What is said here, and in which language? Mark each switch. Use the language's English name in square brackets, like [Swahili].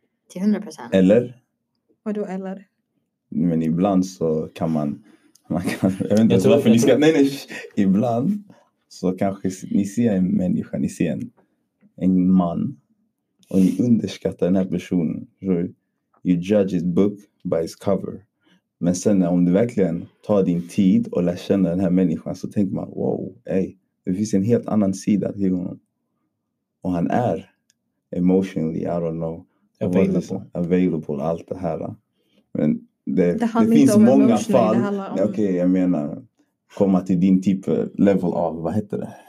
[Swedish] Till 100%. Eller? Vadå eller? Men ibland så kan man... jag vet inte varför ni ska... Nej. Ibland så kanske ni ser en människa, ni ser en man. Och ni underskattar den här personen. [English] You judge his book by his cover. [Swedish] Men sen om du verkligen tar din tid och lär känna den här människan, så tänker man, wow, ey, det finns en helt annan sida till honom. Och han är [English] emotionally, I don't know, available, [Swedish] allt det här. Men det finns många fall. Jag menar, komma till din typ level av, vad heter det?